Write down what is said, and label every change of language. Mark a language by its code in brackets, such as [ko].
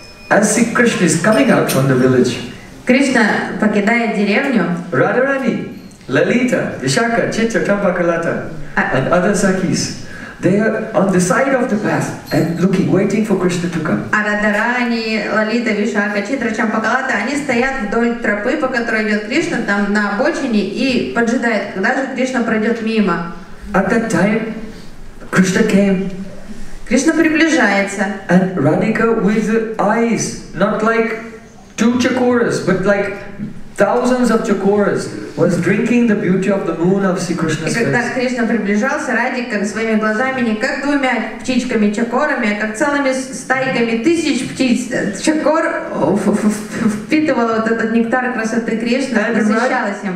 [en] As Sri Krishna is coming out from the village, [ru] Krishna покидает деревню. [en] Radharani, Lalita, Vishakha, Chitra, Trambakalata, and other Sakis. They are on the side of the path and looking, waiting for Krishna to come. [ru] Арадарани, Лалита, Вишакха, Читра, Чампакалата, они стоят вдоль тропы, по которой идет Кришна, там на обочине и поджидают, когда же Кришна пройдет мимо. [en] At that time, Krishna came. [ru] Кришна приближается. [en] And Radhika with eyes, not like two chakoras, but like thousands of chakoras, was drinking the beauty of the moon of Sri Krishna's face. [ru] И когда Кришна приближался, Радика своими глазами не как двумя птичками чакорами, а как целыми стайками тысяч птиц чакор впитывала вот этот нектар красоты Кришны, насыщалась им.